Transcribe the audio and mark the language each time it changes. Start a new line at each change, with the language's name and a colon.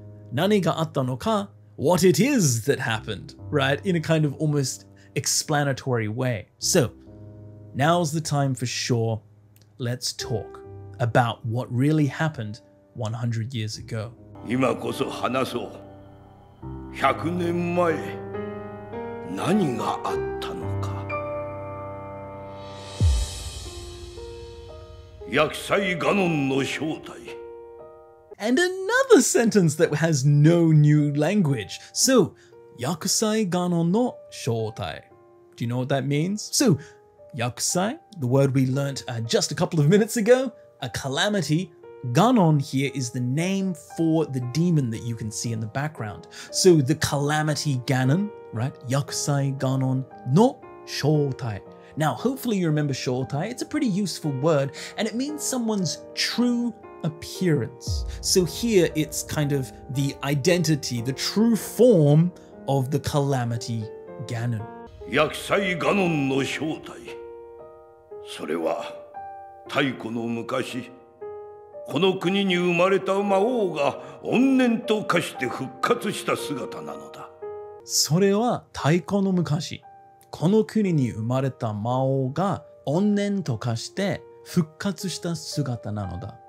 Japanese: Nani ga'ata no ka,
English: what it is that happened, right? In a kind of almost explanatory way. So, now's the time for sure. Let's talk about what really happened 100 years ago.
Japanese: 今こそ話そう. 100年前、何があったのか。厄災ガノンの正体、
English: And another sentence that has no new language. So,
Japanese: Yakusai Gano no Shōtai.
English: Do you know what that means? So, Yakusai, the word we learnt just a couple of minutes ago, a calamity. Ganon here is the name for the demon that you can see in the background. So the calamity Ganon, right?
Japanese: Yakusai Ganon no Shōtai.
English: Now, hopefully you remember Shōtai. It's a pretty useful word, and it means someone's true appearance. So here it's kind of the identity, the true form of the calamity Ganon.
Japanese: Yakusai Ganon no Shōtai. それは太古の昔この国に生まれた魔王が怨念と化して復活した姿なのだ。それは太古の昔この国に生まれた魔王が怨念と化して復活した姿なのだ。